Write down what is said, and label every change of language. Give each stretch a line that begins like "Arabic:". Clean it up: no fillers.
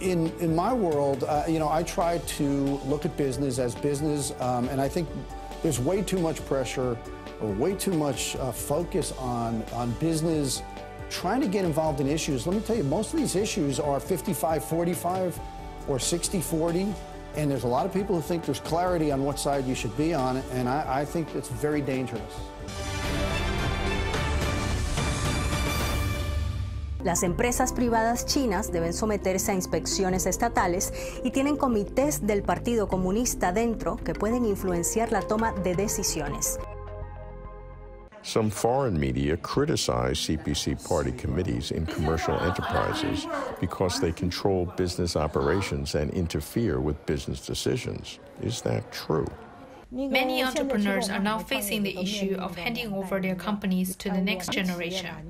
English: In my world, I try to look at business as business, and I think there's way too much pressure or way too much focus on business trying to get involved in issues. Let me tell you, most of these issues are 55-45 or 60-40, and there's a lot of people who think there's clarity on what side you should be on, and I think it's very dangerous.
Spanish: Las empresas privadas chinas deben someterse a inspecciones estatales y tienen comités del Partido Comunista dentro que pueden influenciar la toma de decisiones.
English: Some foreign media criticize CPC party committees in commercial enterprises because they control business operations and interfere with business decisions. Is that true? Many entrepreneurs are now facing the issue of handing over their companies to the next generation.